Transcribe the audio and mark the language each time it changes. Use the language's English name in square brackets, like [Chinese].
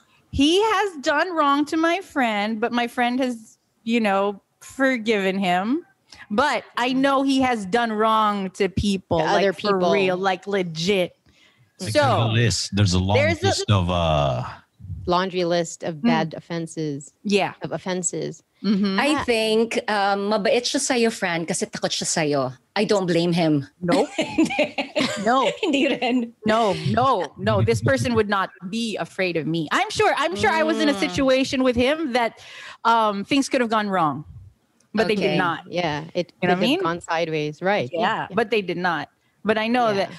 [English] He has done wrong to my friend, but my friend has, you know, forgiven him. But I know he has done wrong to people. To other people. For real, like legit. Like, so there's a long list of laundry list of bad offenses. Yeah. Of offenses. Mm-hmm. I think [Filipino] mabait siya sa'yo, Fran, kasi takot siya sa'yo. [English] I don't blame him. Nope. No. [Filipino] Hindi rin. [English] No, no, no. This person would not be afraid of me. I'm sure I was in a situation with him that things could have gone wrong. But okay. They did not. Yeah. It could have gone sideways. Right. Yeah. But they did not. But I know that.